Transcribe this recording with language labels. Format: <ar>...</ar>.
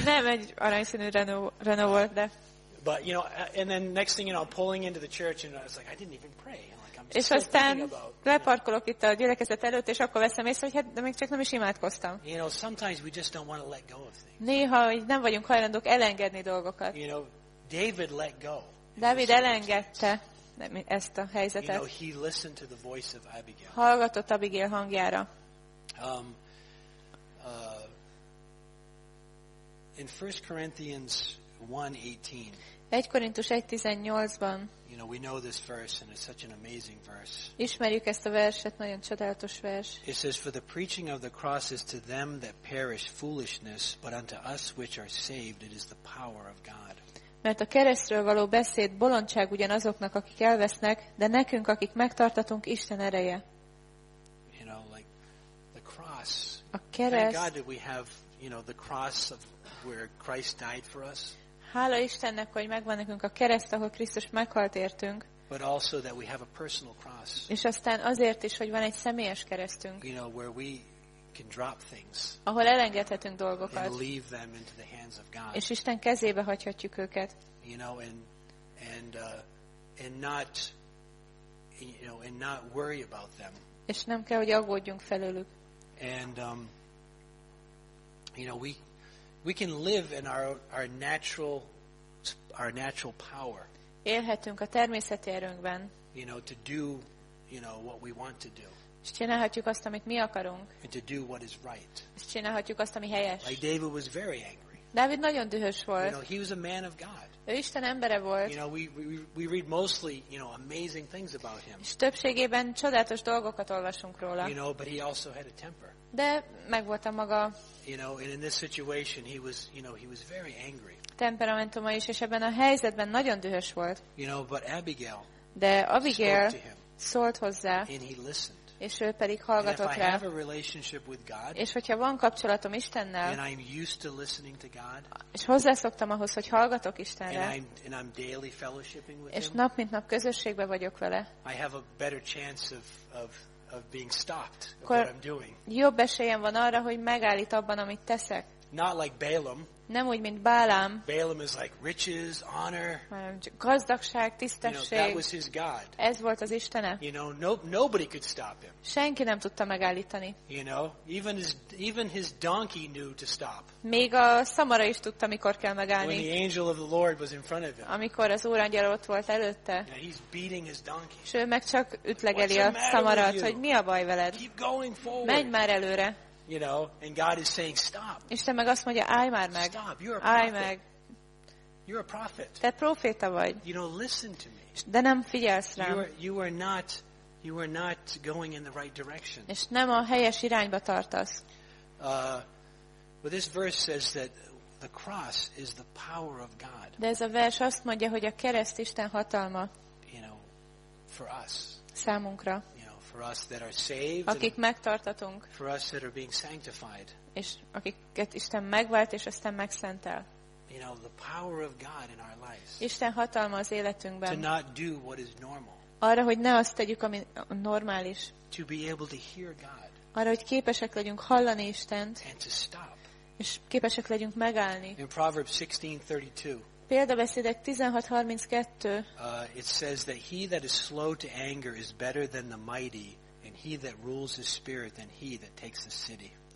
<hu>Nem egy aranyszínű Renault volt, de.</hu> <en>But you know, and then next thing you know, I'm pulling into the church, and I was like, I didn't even pray. Like, I'm</en> <hu>és</hu> <en>still</en> <hu>aztán</hu> <en>about,</en> <hu>leparkolok know. Itt a gyülekezet előtt, és akkor veszem észre, hogy hát, de még csak nem is imádkoztam.</hu> <en>You know, sometimes we just don't want to let go of things.</en> <hu>Néha nem vagyunk hajlandók elengedni dolgokat.</hu> <en>You know, David let go.</en> <hu>Dávid elengedte ezt a helyzetet.</hu> <en>You know, he listened to the voice of Abigail.</en> <hu>Hallgatott Abigail hangjára.</hu> <en>In 1 Corinthians 1:18.</en> <hu>1 Korintus 1:18-ban.</hu> <en>You know, we know this verse and it's such an amazing verse.</en> <hu>Ismerjük ezt a verset, nagyon csodálatos vers.</hu> <en>It says, "For the preaching of the cross is to them that perish foolishness, but unto us which are saved it is the power of God."</en> <hu>Mert a keresztről való beszéd bolondság ugyanazoknak, akik elvesznek, de nekünk, akik megtartatunk, Isten ereje.</hu> <en>You know, like the cross.</en> <hu>A kereszt.</hu> <en>Thank God that we have, you know, the cross of where Christ died for us.</en> <hu>Hála Istennek, hogy megvan nekünk a kereszt, ahol Krisztus meghalt értünk.</hu> <en>But also that we have a personal cross.</en> <hu>És aztán azért is, hogy van egy személyes keresztünk.</hu> <en>You know, where we can drop things.</en> <hu>Ahol elengedhetünk dolgokat.</hu> <en>And leave them into the hands of God.</en> <hu>És Isten kezébe hagyhatjuk őket.</hu> <en>You know, and not worry about them.</en> <hu>És nem kell, hogy aggódjunk felőlük.</hu> <en>And you know, we can live in our natural our natural power.</en> <hu>Élhetünk a természeti erőnkben.</hu> <en>You know, to do, you know, what we want to do.</en> <hu>És csinálhatjuk azt, amit mi akarunk.</hu> <en>And to do what is right.</en> <hu>És csinálhatjuk azt, ami helyes.</hu> <en>Like David was very angry.</en> <hu>Dávid nagyon dühös volt.</hu> <en>You know, he was a man of God.</en> <hu>Ő Isten embere volt.</hu> <en>You know, we read mostly, you know, amazing things about him.</en> <hu>És többségében csodálatos dolgokat olvasunk róla.</hu> <en>You know, but he also had a temper.</en> <hu>De megvolt a maga.</hu> <en>You know, and in this situation he was, you know, he was very angry.</en> <hu>Temperamentuma is, és ebben a helyzetben nagyon dühös volt.</hu> <en>You know, but Abigail.</en> <hu>De Abigail szólt hozzá.</hu> <en>And he listened.</en> <hu>És ő pedig hallgatott rá.</hu> <en>And if I have a relationship with God,</en> <hu>és hogyha van kapcsolatom Istennel,</hu> <en>and I'm used to listening to God,</en> <hu>és hozzászoktam ahhoz, hogy hallgatok Istenre,</hu> <en>and I'm daily fellowshipping with</en> <hu>és nap mint nap közösségben vagyok vele,</hu> <en>I have a better chance of being stopped of what I'm doing.</en> <hu>Jobb esélyem van arra, hogy megállít abban, amit teszek.</hu> <en>Not like Balaam.</en> <hu>Nem úgy, mint Bálám.</hu> <en>Balaam is like riches, honor.</en> <hu>Gazdagság, tisztesség.</hu> <en>You know, that was his God.</en> <hu>Ez volt az Istene.</hu> <en>You know, no, nobody could stop him.</en> <hu>Senki nem tudta megállítani.</hu> <en>You know, even his donkey knew to stop.</en> <hu>Még a szamara is tudta, mikor kell megállni.</hu> <en>When the angel of the Lord was in front of him.</en> <hu>Amikor az Úr angyala ott volt előtte.</hu> <en>Yeah, he's beating his donkey.</en> <hu>S ő meg csak ütlegeli a szamarat, hogy mi a baj veled.</hu> <en>Keep going forward.</en> <hu>Menj már előre.</hu> <en>You know, and God is saying, "Stop."</en> <hu>Isten meg azt mondja, állj már meg.</hu> <en>Stop. You're a prophet.</en> <hu>Állj meg.</hu> <en>You're a prophet.</en> <hu>Te proféta vagy.</hu> <en>You know, listen to me.</en> <hu>De nem figyelsz rám.</hu> <en>You are not going in the right direction.</en> <hu>És nem a helyes irányba tartasz.</hu> <en>But this verse says that the cross is the power of God.</en> <hu>De ez a vers azt mondja, hogy a kereszt Isten hatalma.</hu> <en>You know, for us.</en> <hu>Számunkra.</hu> <en>For us that are saved,</en> <hu>akik megtartatunk,</hu> <en>for us that are being sanctified,</en> <hu>és akiket Isten megvált és aztán megszentel.</hu> <en>You know, the power of God in our lives.</en> <hu>Isten hatalma az életünkben.</hu> <en>To not do what is normal.</en> <hu>Arra, hogy ne azt tegyük, ami normális.</hu> <en>To be able to hear God.</en> <hu>Arra, hogy képesek legyünk hallani Istent.</hu> <en>And to stop.</en> <hu>És képesek legyünk megállni.</hu> <en>In Proverbs 16:32.</en> <hu>Példabeszédek 16:32.</hu> <en>It says that he that is slow to anger is better than the mighty, and he that rules his spirit than he that takes a city.</en>